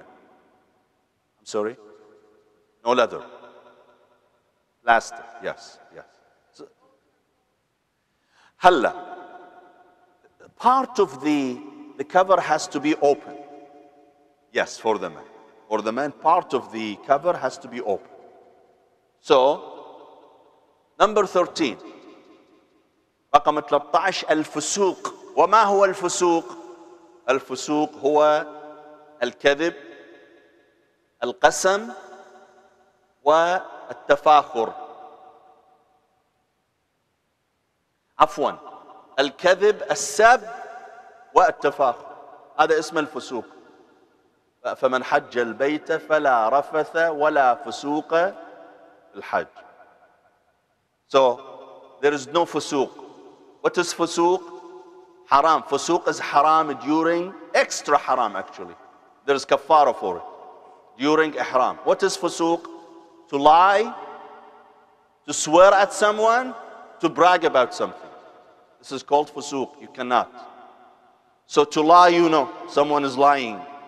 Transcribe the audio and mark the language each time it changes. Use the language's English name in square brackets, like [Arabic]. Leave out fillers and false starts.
[English] I'm sorry? No leather. Plastic, yes. So, halla. Part of the cover has to be open. Yes, for the man. For the man, part of the cover has to be open. So, number 13. [Arabic] رقم 13 الفسوق وما هو الفسوق؟ الفسوق هو الكذب القسم والتفاخر عفوا الكذب السب والتفاخر هذا اسم الفسوق فمن حج البيت فلا رفث ولا فسوق الحج [English] So there is no [Arabic] فسوق [English] What is fusuq? Haram. Fusuq is haram during extra haram, actually. There is kafara for it. During ihram. What is fusuq? To lie, to swear at someone, to brag about something. This is called fusuq. You cannot. So to lie, you know, someone is lying.